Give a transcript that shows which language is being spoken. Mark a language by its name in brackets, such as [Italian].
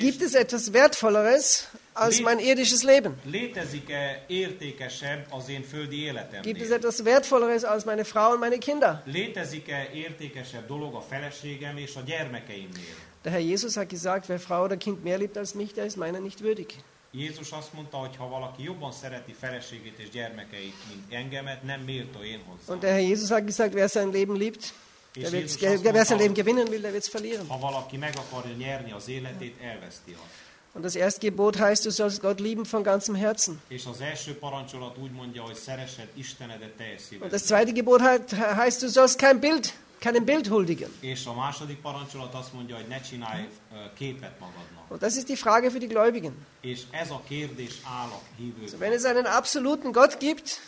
[German] Gibt es etwas Wertvolleres als mein irdisches Leben? [Hungarian] Létezik-e értékesebb az én földi életemnél? [German] Gibt es etwas Wertvolleres als meine Frau und meine Kinder? [Hungarian] Létezik-e értékesebb dolog a feleségem és a gyermekeimnél? [German] Der Herr Jesus hat gesagt, wer Frau oder Kind mehr liebt als mich, der ist meiner nicht würdig. [Hungarian] Jézus azt mondta, hogy ha valaki jobban szereti feleségét és gyermekeit, mint engemet, nem méltó én hozzám. [German] Und der Herr Jesus hat gesagt, wer sein Leben liebt, der wird wer sein Leben gewinnen will, der wird es verlieren. [Hungarian] Ha valaki meg akarja nyerni az életét, elveszti azt. [German] Und das erste Gebot heißt, du sollst Gott lieben von ganzem Herzen. [Hungarian] És az első parancsolat úgy mondja, hogy szeressed Istenedet teljes szívedet. [German] Und das zweite Gebot heißt, du sollst keinem Bild huldigen. [Hungarian] És a második parancsolat azt mondja, hogy ne csinálj képet magadnak. [German] Und das ist die Frage für die Gläubigen. [Hungarian] És ez a kérdés áll a hívőknek. [German] So, wenn es einen absoluten Gott gibt,